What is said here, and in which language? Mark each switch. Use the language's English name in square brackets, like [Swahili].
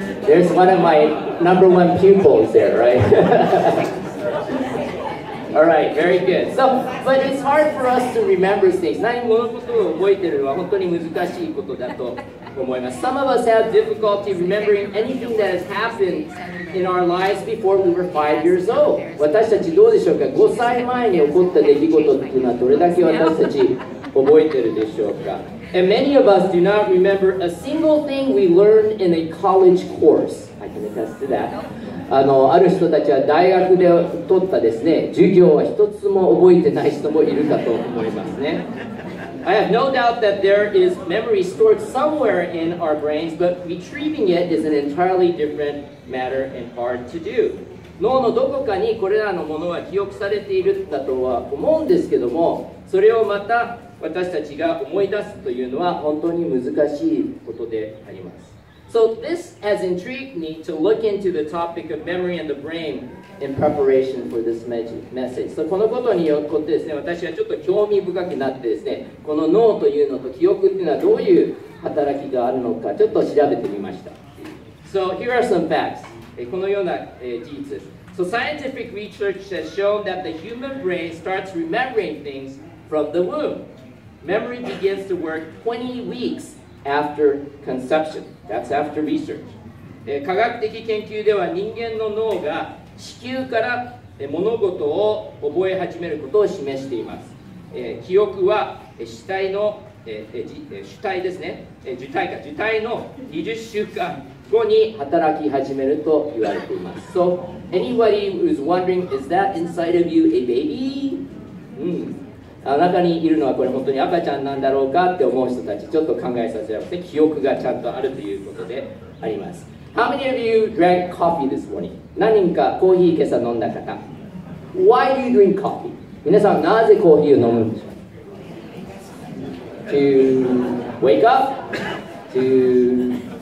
[English] There's one of my number one pupils there, right? All right, very good. So, but it's hard for us to remember things. [Japanese] 何もののことを覚えてるのは本当に難しいことだと思います。 [English] Some of us have difficulty remembering anything that has happened in our lives before we were 5 years old. [Japanese] 私たちどうでしょうか ?5 歳前に起こった出来事っていうのはどれだけ私たち覚えてるでしょうか。 [English] And many of us do not remember a single thing we learned in a college course. I can attest to that. [Japanese] ある人たちは大学で取ったですね、授業は一つも覚えてない人もいるかと思いますね。 [English] I have no doubt that there is memory stored somewhere in our brains, but retrieving it is an entirely different matter and hard to do. [Japanese] 脳のどこかにこれらのものは記憶されているんだとは思うんですけどもそれをまた私たちが思い出すというのは本当に難しいことであります。 [English] So this has intrigued me to look into the topic of memory and the brain in preparation for this message. [Japanese] So このことによってですね、私はちょっと興味深くなってですね、この脳というのと記憶というのはどういう働きがあるのかちょっと調べてみました。 [English] So here are some facts. [Japanese] このような事実です。 [English] So scientific research has shown that the human brain starts remembering things from the womb. Memory begins to work 20 weeks after conception. That's after research. [Japanese] 科学的研究では人間の脳が子宮から物事を覚え始めることを示しています。記憶は受胎の20週間。 [English] So, anybody who's wondering, is that inside of you a baby? [Japanese] 中にいるのはこれ本当に赤ちゃんなんだろうかって思う人たち、ちょっと考えさせられて、記憶がちゃんとあるということであります。 [English] How many of you drank coffee this morning? [Japanese] 何人かコーヒー今朝飲んだ方。 [English] Why do you drink coffee? [Japanese] 皆さんなぜコーヒーを飲むんでしょう ? [English] To wake up? To...